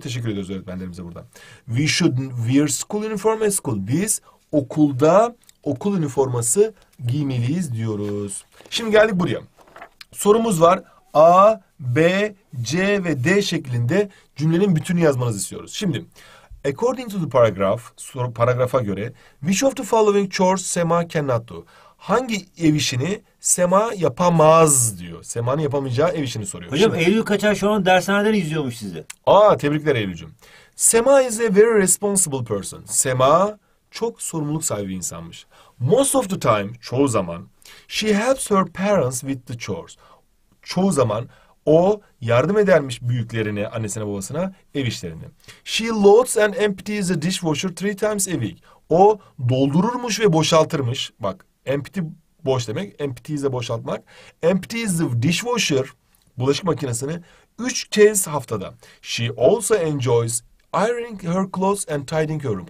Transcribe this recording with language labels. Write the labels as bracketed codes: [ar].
[tr] Teşekkür ediyoruz öğretmenlerimize buradan. [en] We should wear school uniform at school. [tr] Biz okulda okul üniforması giymeliyiz diyoruz. Şimdi geldik buraya. Sorumuz var. A, B, C ve D şeklinde cümlenin bütünü yazmanızı istiyoruz. [en] Şimdi, according to the paragraph, [tr] paragrafa göre, [en] which of the following chores Sema cannot do? [tr] hangi ev işini Sema yapamaz diyor. Sema'nın yapamayacağı ev işini soruyor. Hocam şimdi, Eylül kaçar şu an dershaneden izliyormuş sizi. Aa, tebrikler Eylül'cüğüm. [en] Sema is a very responsible person. [tr] Sema çok sorumluluk sahibi bir insanmış. [en] Most of the time, [tr] çoğu zaman, [en] she helps her parents with the chores. [tr] Çoğu zaman o yardım edermiş büyüklerine, annesine babasına ev işlerini. [en] She loads and empties the dishwasher 3 times a week. [tr] O doldururmuş ve boşaltırmış. Bak, empty boş demek. Empties de boşaltmak. [en] Empties the dishwasher, [tr] bulaşık makinesini, 3 kez haftada. [en] She also enjoys ironing her clothes and tidying her room.